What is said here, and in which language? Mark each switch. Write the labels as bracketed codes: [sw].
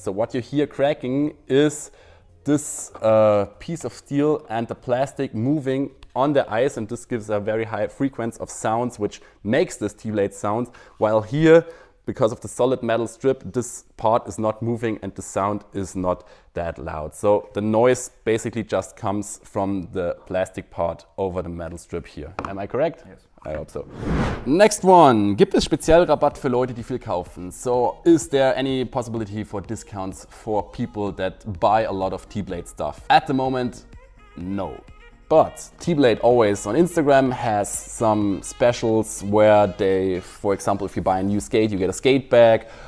[en] So what you hear cracking is this piece of steel and the plastic moving on the ice, and this gives a very high frequency of sounds, which makes this T-blade sound, while here, because of the solid metal strip, this part is not moving and the sound is not that loud. So the noise basically just comes from the plastic part over the metal strip here. Am I correct? Yes. I hope so. Next one. [de] Gibt es speziell Rabatt für Leute, die viel kaufen? [en] So is there any possibility for discounts for people that buy a lot of T-Blade stuff? At the moment, no. But T-Blade always on Instagram has some specials where they, for example, if you buy a new skate, you get a skate bag.